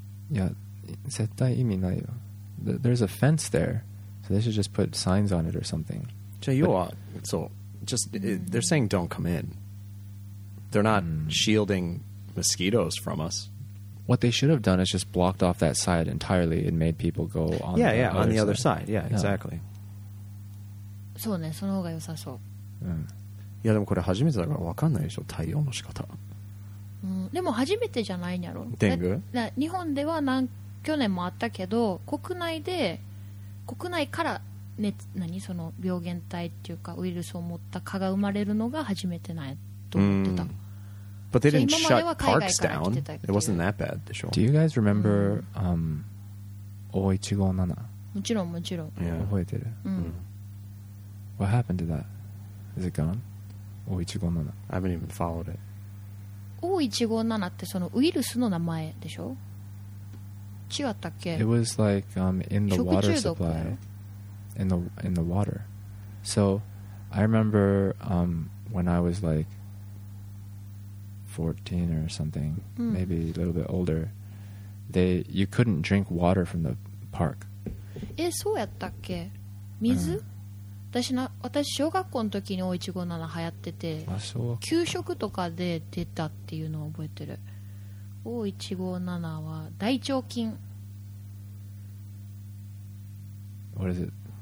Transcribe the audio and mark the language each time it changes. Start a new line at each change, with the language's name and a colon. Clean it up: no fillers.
English: yeah
Japanese: 絶対意味ないよ、
English: there's a fence there so they should just put signs on it or something、
Japanese: じゃあ要は、
English: but、
Japanese: そう
English: Just, they're saying don't come in. They're not shielding mosquitoes from us. What they should have done is just blocked off that side entirely and made people go on yeah, the yeah, other side. Yeah, yeah, on the other side. Yeah, exactly.
Japanese: そうね、その方が良さそう。うん。いやでもこれ初めてだから分かんないでしょ、対応の仕方。うん、でも初めてじゃないんやろ。デング？な、日本では何、去年もあったけど、国内から熱、何その病原体っていうかウイルスを持った蚊が生まれるのが初めてないと思ってた。
English: But they didn't shut parks down. It wasn't that bad,
Japanese: でしょ。
English: Do you guys remember O157?
Japanese: もちろんもちろん。 Yeah. 覚えてる。うん。
English: What happened to that? Is it gone? O157. I haven't even followed it.
Japanese: O157 ってそのウイルスの名前でしょ？違ったっけ
English: ？It was like in the water supply. In the water. So I remember when I was like 14 or something, maybe a little bit older, you couldn't drink water from the park.
Japanese: え、そうやったっけ？水？私小学校の時に O157流行ってて、あ、そう。給食とかで出たっていうのを覚えてる。 O157 は大腸菌。
English: What is it?